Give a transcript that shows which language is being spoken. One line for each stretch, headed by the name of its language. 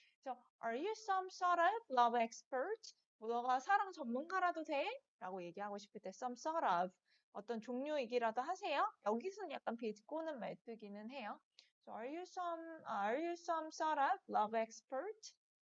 Korean: 그래서
English: are you some sort of love expert?
Korean: 너가 사랑 전문가라도 돼? 라고 얘기하고 싶을 때 some sort of 어떤 종류이기라도 하세요. 여기서는 약간 비꼬는 말투기는 해요.
English: So are you some sort of love expert?